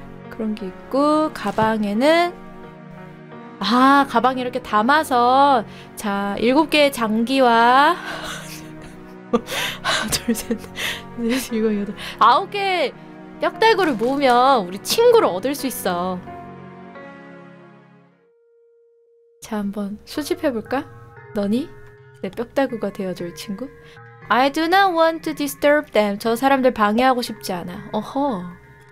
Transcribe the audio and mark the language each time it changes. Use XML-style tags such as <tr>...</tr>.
<ko>그런 게 있고 가방에는 아 가방에 이렇게 담아서 자 7개의 장기와 둘 셋 넷 일곱 여덟 아홉 개 뼈다구를 모으면 우리 친구를 얻을 수 있어. 자, 한번 수집해볼까? 너니? 내 뼈다구가 되어줄 친구?</ko> <en>I do not want to disturb them.</en> <ko>저 사람들 방해하고 싶지 않아. 어허.</ko>